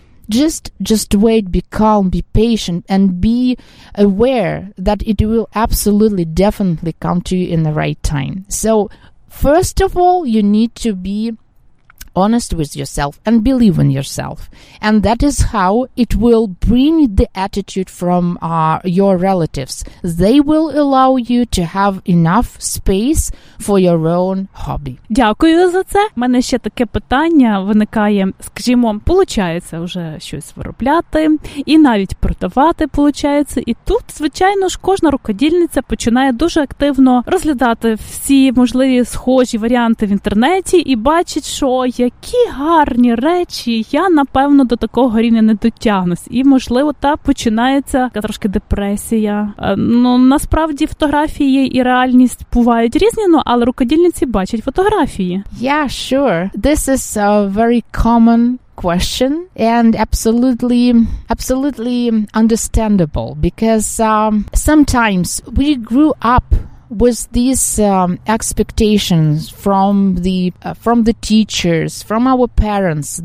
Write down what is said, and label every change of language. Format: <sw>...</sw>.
<en>Just wait, be calm, be patient, and be aware that it will absolutely, definitely come to you in the right time. So, first of all, you need to be honest with yourself and believe in yourself. And that is how it will bring the attitude from your relatives. They will allow you to have enough space for your own hobby.</en> <uk>Дякую за це. У мене ще таке питання виникає. Скажімо, получається вже щось виробляти і навіть продавати, получається. І тут, звичайно ж, кожна рукодільниця починає дуже активно розглядати всі можливі схожі варіанти в інтернеті і бачить, що які гарні речі, я, напевно, до такого рівня не дотягнусь. І, можливо, та починається трошки депресія. Ну, насправді, фотографії і реальність бувають різні, але рукодільниці бачать фотографії.</uk> <en>Yeah, sure. This is a very common question and absolutely understandable, because sometimes we grew up with these expectations from the teachers, from our parents.</en>